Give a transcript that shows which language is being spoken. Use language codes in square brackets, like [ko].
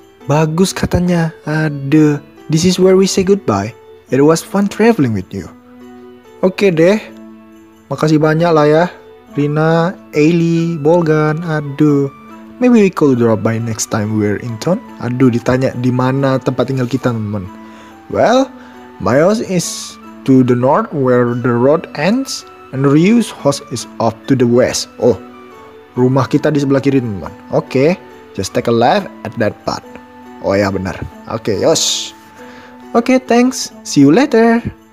[id] Bagus katanya. [en] Aduh, this is where we say goodbye. It was fun traveling with you. Oke deh. [id] Makasih banyak lah ya, Rina, Ailey, Bolgan. [en] Aduh, maybe we could drop by next time we're in town. [id] Aduh, ditanya di mana tempat tinggal kita, teman. [en] Well, my house is to the north where the road ends, and Ryu's house is off to the west. [id] Oh, rumah kita di sebelah kiri, teman. Oke, [en] okay, just take a left at that part. [id] Oh ya, benar. [en] Oke, okay, yosh. Oke, okay, thanks. See you later.